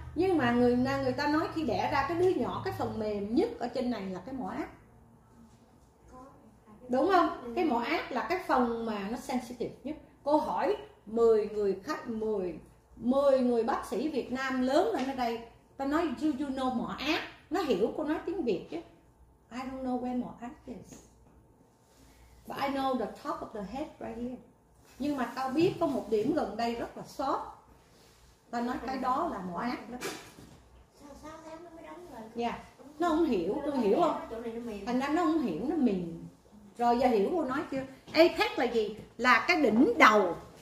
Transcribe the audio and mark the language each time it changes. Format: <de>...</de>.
<vi>Nhưng mà người ta nói khi đẻ ra cái đứa nhỏ cái phần mềm nhất ở trên này là cái mỏ ác. Đúng không? Cái mỏ ác là cái phần mà nó sensitive nhất. Cô hỏi 10 người khách, 10 người bác sĩ Việt Nam lớn lên ở đây, ta nói</vi> <en>do you know</en> <vi>mỏ ác, nó hiểu cô nói tiếng Việt chứ.</vi> <en>I don't know where mỏ ác is, but I know the top of the head right here.</en> <vi>Nhưng mà tao biết có một điểm gần đây rất là soft, ta nói cái đó là mỏ ác đó. Sao sao nó mới đóng rồi? Yeah, nó không hiểu, tôi không hiểu không? Thành ra nó không hiểu, nó mềm. Rồi giờ hiểu cô nói chưa? Apex là gì? Là cái đỉnh đầu.</vi>